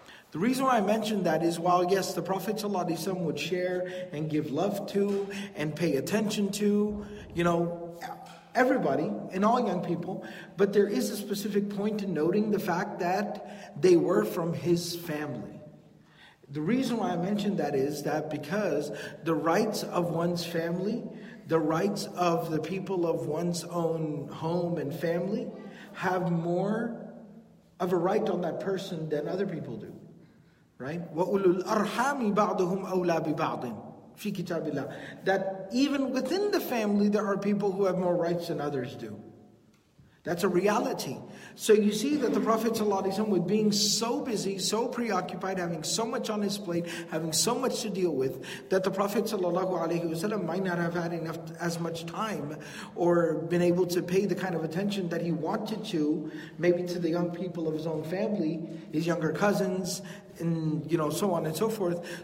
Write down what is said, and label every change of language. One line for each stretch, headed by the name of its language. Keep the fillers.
English: The reason why I mention that is while, yes, the Prophet ﷺ would share and give love to and pay attention to, you know, everybody and all young people, but there is a specific point in noting the fact that they were from his family. The reason why I mention that is that because the rights of one's family, the rights of the people of one's own home and family, have more of a right on that person than other people do. Right?
Arabic: وَأُولُو الْأَرْحَامِ بَعْضُهُمْ أَوْلَى بِبَعْضٍ fi kitabillah.
English: That even within the family, there are people who have more rights than others do. That's a reality. So you see that the Prophet ﷺ was being so busy, so preoccupied, having so much on his plate, having so much to deal with, that the Prophet ﷺ might not have had enough as much time or been able to pay the kind of attention that he wanted to, maybe to the young people of his own family, his younger cousins, and you know so on and so forth.